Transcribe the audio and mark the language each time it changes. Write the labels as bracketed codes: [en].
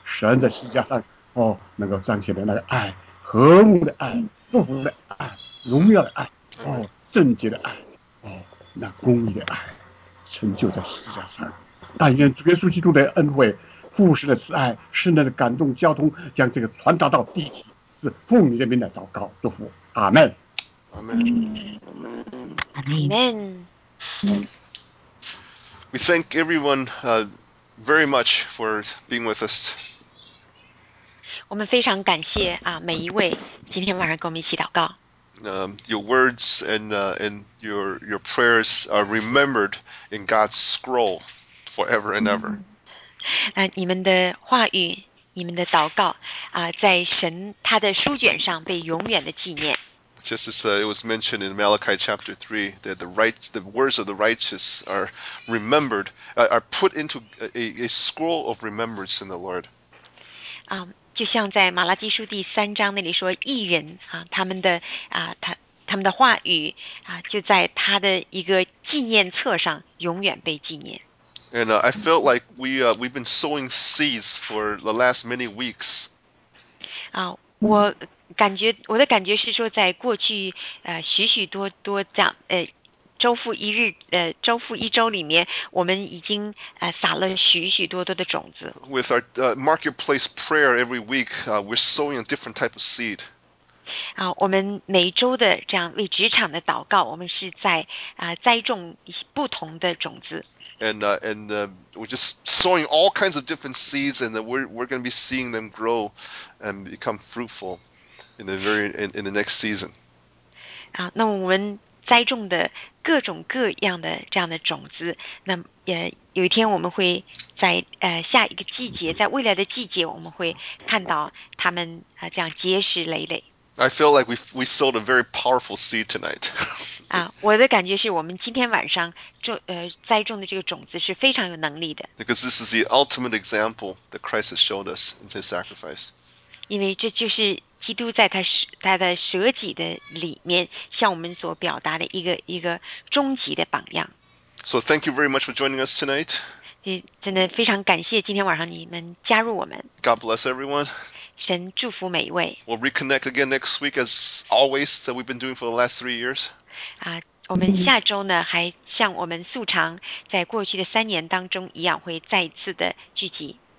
[zh] 神在世界上哦，能够彰显的那个爱，和睦的爱，祝福的爱，荣耀的爱，哦，圣洁的爱，哦，那公义的爱，成就在世界上。但愿主耶稣基督的恩惠、父神的慈爱、圣灵的感动交通，将这个传达到地极。是奉你的名来祷告，祝福，阿门。阿门。阿门。阿门。 [en] We thank everyone very much for being with us. [zh] 我们非常感谢啊每一位今天晚上跟我们一起祷告。 [en] Your words and your prayers are remembered in God's scroll forever and ever. [zh] 你们的话语，你们的祷告啊，在神他的书卷上被永远的纪念。 [en] Just as it was mentioned in Malachi chapter 3, that the words of the righteous are remembered, are put into a scroll of remembrance in the Lord. [zh] 就像在马拉基书第三章那里说，义人啊，他们的话语啊，就在他的一个纪念册上永远被纪念。 [en] And I felt like we've been sowing seeds for the last many weeks. [zh] 我感觉我的感觉是说，在过去许许多多讲周复一日周复一周里面，我们已经撒了许许多多的种子。 [en] With our marketplace prayer every week, we're sowing a different type of seed. [zh] 我们每周的这样为职场的祷告，我们是在栽种不同的种子。 [en] And we're just sowing all kinds of different seeds, and we're going to be seeing them grow and become fruitful in the next season. [zh] 那我们栽种的各种各样的这样的种子，那有一天我们会在下一个季节，在未来的季节，我们会看到他们这样结实累累。 [en] I feel like we sowed a very powerful seed tonight. [zh] 我的感觉是我们今天晚上栽种的这个种子是非常有能力的。 [en] Because this is the ultimate example that Christ has showed us in his sacrifice. [zh] 因为这就是基督在他的舍己的里面向我们所表达的一个终极的榜样。 [en] So thank you very much for joining us tonight. [zh] 真的非常感谢今天晚上你们加入我们。 [en] God bless everyone. [zh] 神祝福每一位。 [en] We'll reconnect again next week, as always, that we've been doing for the last 3 years. [zh] 我们下周呢，还像我们素常在过去的三年当中一样，会再一次的聚集。